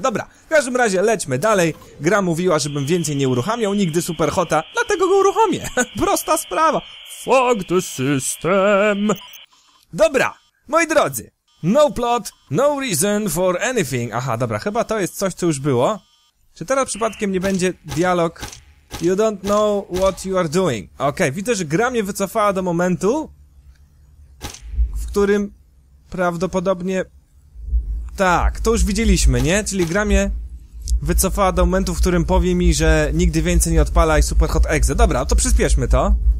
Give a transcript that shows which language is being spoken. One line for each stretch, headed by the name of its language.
Polish: Dobra, w każdym razie lećmy dalej, gra mówiła, żebym więcej nie uruchamiał nigdy superhota, dlatego go uruchomię. Prosta sprawa.
English: Fuck the system.
Polish: Dobra, moi drodzy,
English: no plot, no reason for anything.
Polish: Aha, dobra, chyba to jest coś, co już było. Czy teraz przypadkiem nie będzie dialog?
English: You don't know what you are doing.
Polish: Okej, widzę, że gra mnie wycofała do momentu, w którym prawdopodobnie... Tak, to już widzieliśmy, nie? Czyli gra mnie wycofała do momentu, w którym powie mi, że nigdy więcej nie odpalaj Super Hot Exe. Dobra, to przyspieszmy to.